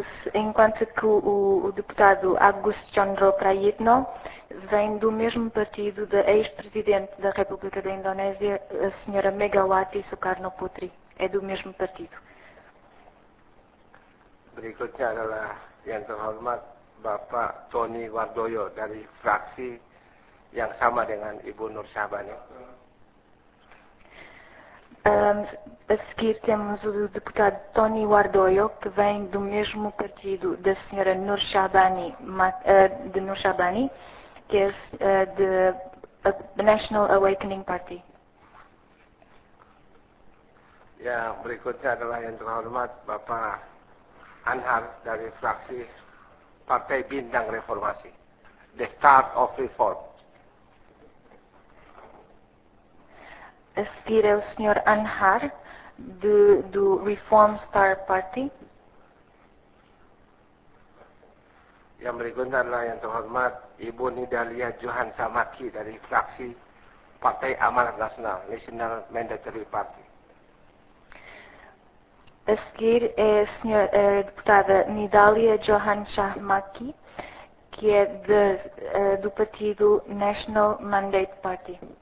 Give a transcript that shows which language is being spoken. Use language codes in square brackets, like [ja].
[pt] Enquanto que o deputado Agus Chandra Prayitno vem do mesmo partido da ex-presidente da República da Indonésia, a senhora Megawati Soekarnoputri, é do mesmo partido. [id] Berikutnya adalah yang terhormat Bapak Tony Wardoyo dari fraksi yang sama dengan Ibu Nur Sabani. [pt] A seguir temos o deputado Tony Wardoyo, que vem do mesmo partido da senhora Nur Shabani, de Nur Shabani, que é de National Awakening Party. [id] Ya, berikutnya adalah yang terhormat Bapak Anhar dari fraksi Partai Bintang Reformasi, The Start of Reform. [pt] A seguir é o Sr. Anhar, do Reform Star Party. [id] Yang berikutnya adalah yang terhormat Ibu Nidalia Johan Samaki dari fraksi Partai Amanat Nasional, National Mandatory Party. [pt] A seguir é a senhora deputada Nidalia Johan Samaki, que é do partido National Mandate Party.